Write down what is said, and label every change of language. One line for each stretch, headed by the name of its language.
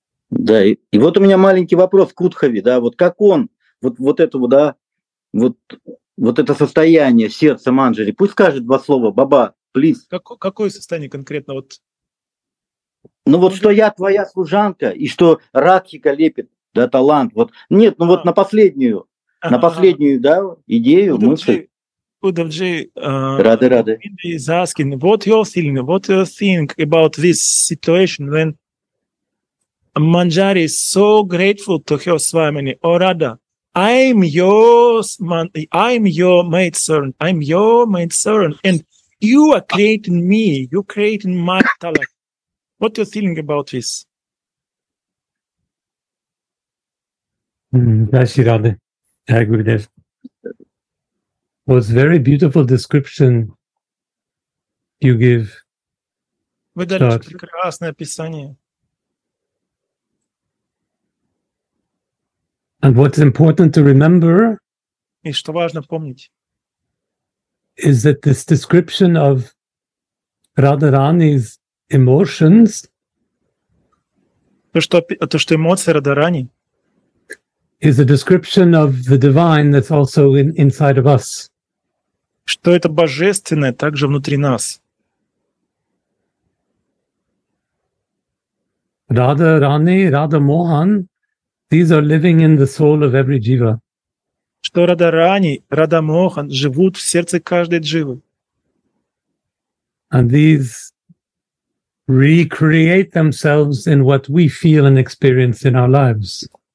Russian: Да, и вот у меня маленький вопрос к Утхове, да, вот как он, вот этого, да, вот это состояние сердца Манджари. Пусть скажет два слова, Баба, плиз. Какое состояние конкретно? Вот? Ну вот, что я твоя служанка, и что Радхика лепит, да, талант. Вот. Нет, ну вот на последнюю, на последнюю, да, идею, мысль.
English: Udavji, Rade. Is asking, what you're feeling, what you think about this situation when Manjari is so grateful to her Swamini, or Radha, I'm your maidservant, and you are creating me, you're creating my talent. What you're feeling about this? Dashi Rade, I agree with this. Was very beautiful description you give.
Russian: Вы дали прекрасное описание.
English: And what's important to remember,
Russian: и что важно помнить,
English: is that this description of Radharani's emotions,
Russian: то что эмоции Радхарани,
English: is a description of the divine that's also inside of us.
Russian: Что это божественное также внутри нас.
English: Radha Rani, Radha Mohan, these are living in the soul of every jiva.
Russian: Что Radha Rani, Radha Mohan живут в сердце каждой дживы.
English: And these recreate themselves in what we feel and experience in our lives.